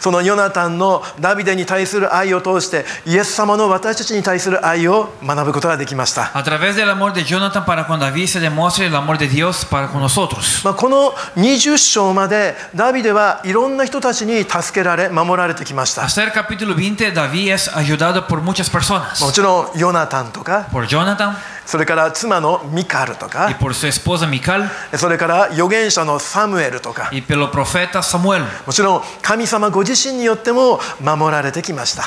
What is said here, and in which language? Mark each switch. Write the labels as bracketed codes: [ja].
[ja] そのヨナタンのダビデに対する愛を通してイエス様の私たちに対する愛を学ぶことができました。 [es] A través del amor de Jonathan para con David se demuestra el amor de Dios para con nosotros。 [ja] まあこの20章までダビデはいろんな人たちに助けられ守られてきました。 [es] Hasta el capítulo 20 David es ayudado por muchas personas。 [ja] もちろんヨナタンとか。 [es] Por Jonathan。 [ja] それから妻のミカルとか。 [es] Y por su esposa Mical。 [ja] それから預言者のサムエルとか。 [es] Y pelo profeta Samuel。 [ja] もちろん神様ご自身によっても守られてきました。